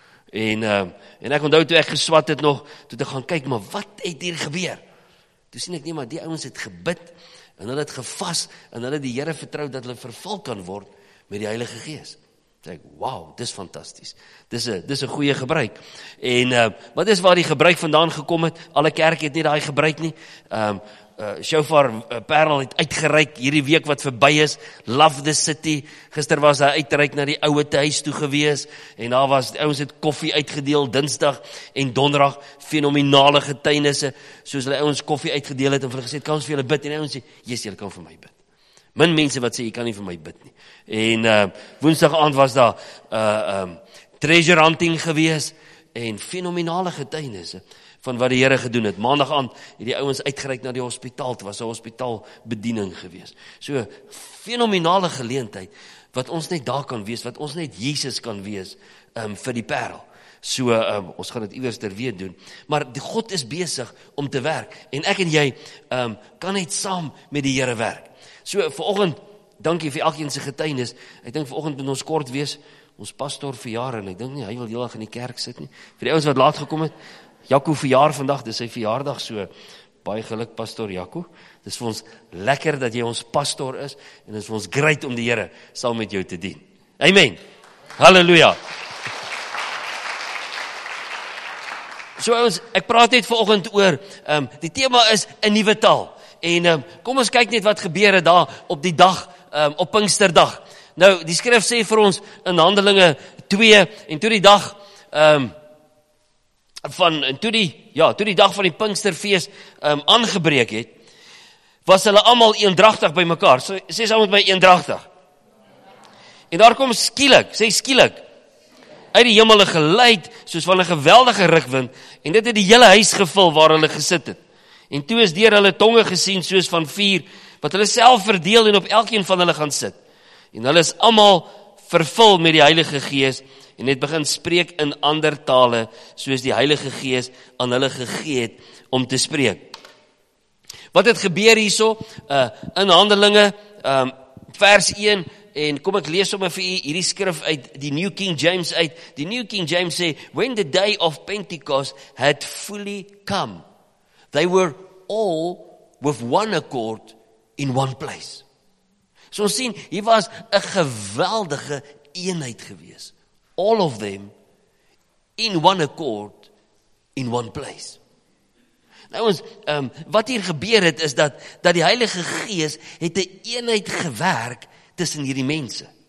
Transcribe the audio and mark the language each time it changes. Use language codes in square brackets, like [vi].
[af] En ek onthou toe ek geswat het nog, toe te gaan kyk, maar wat het hier gebeur? Toe sien ek nie, maar die ouens het gebid, en hulle het gevas, en hulle die Here vertrou dat hulle vervul kan word met die Heilige Gees. Sê ek, wow, dis fantasties. Dis een goeie gebruik. Wat is waar die gebruik vandaan gekom het? Alle kerke het nie daai gebruik nie. Shofar Parel het uitgereik hierdie week wat verby is, Love the City, gister was hy uitreik na die ouwe tehuis toe gewees, en daar was, ouwens het koffie uitgedeel, dinsdag en donderdag, fenomenale getuienisse, soos hulle ouwens koffie uitgedeel het, en hulle gesê, kan ons vir julle bid, en ouwens sê, jes, julle kan vir my bid. Min mense wat sê, jy kan nie vir my bid nie. En woensdag aand was daar treasure hunting gewees, en fenomenale getuienisse, van wat die Here gedoen het. Maandag aan het die ouwens uitgereik na die hospitaal, het was 'n hospitaalbediening gewees. So, fenomenale geleentheid, wat ons net daar kan wees, wat ons net Jesus kan wees, vir die Parel. So, ons gaan het iewers ter weet doen. Maar die God is besig om te werk, en ek en jy kan net saam met die Here werk. So, vanoggend, dankie vir elkeen se getuienis, ek dink vanoggend moet ons kort wees, ons pastoor verjaar, en ek dink nie, hy wil heel erg in die kerk sit nie. Vir die ouwens wat laat gekom het, Jakko verjaar vandag, dis sy verjaardag, so, baie geluk, pastoor Jakko, dis vir ons lekker, dat jy ons pastoor is, en dis vir ons great om die Here saam met jou te dien. Amen, halleluja. So ons, ek praat net vanoggend oor, die thema is, een nuwe taal, en kom ons kyk net wat gebeur het daar, op die dag, op Pinksterdag. Nou, die skrif sê vir ons, in Handelinge 2, en toe die dag, toe die dag van die Pinksterfeest aangebreek het, was hulle allemaal eendragtig by mekaar. Sê saam met my eendragtig. En daar kom skielik, uit die hemel een geluid, soos van een geweldige rukwind, en dit het die hele huis gevul waar hulle gesit het. En toe is deur hulle tonge gesien, soos van vuur, wat hulle self verdeel en op elkeen van hulle gaan sit. En hulle is allemaal vervul met die Heilige Gees, en het begin spreek in ander tale, soos die Heilige Gees aan hulle gegee het om te spreek. Wat het gebeur hierso? In Handelinge, vers 1, en kom ek lees sommer vir u hierdie skrif uit die New King James uit. Die New King James sê, [en] when the day of Pentecost had fully come, they were all with one accord in one place. [af] So ons sien, hier was 'n geweldige eenheid gewees. [en] All of them in one accord, in one place. [af] Nou ons, wat hier gebeur het, is dat die Heilige Gees het 'n eenheid gewerk tussen hierdie mense.